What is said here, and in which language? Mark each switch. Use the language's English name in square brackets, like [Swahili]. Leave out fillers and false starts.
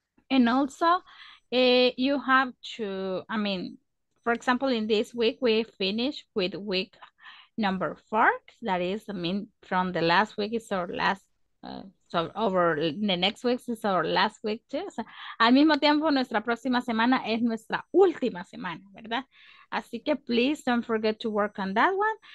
[English] And also, you have to, I mean, for example, in this week, we finished with week number 4. That is, I mean, from the last week is our last, so over the next week is our last week too. [Spanish] So, al mismo tiempo, nuestra próxima semana es nuestra última semana, ¿verdad? Así que [English] please don't forget to work on that one.